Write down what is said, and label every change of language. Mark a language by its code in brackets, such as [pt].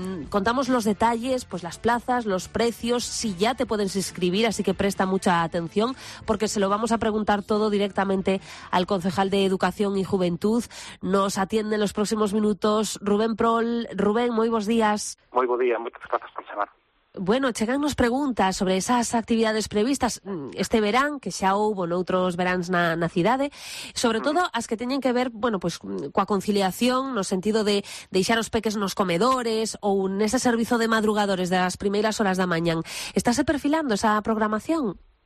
[es] Contamos los detalles, pues las plazas, los precios, si ya te puedes inscribir, así que presta mucha atención, porque se lo vamos a preguntar todo directamente al concejal de Educación y Juventud. Nos atiende en los próximos minutos Rubén Prol. Rubén, muy buenos días. Muy buen día, muchas gracias por llamar. [gl] Bueno, chegan nos preguntas sobre esas actividades previstas este verán, que xa houbo noutros veráns na cidade, sobre todo as que teñen que ver, bueno, pues coa conciliación, no sentido de deixar os peques nos comedores ou nese servizo de madrugadores das primeiras horas da mañán. Estáse perfilando esa programación?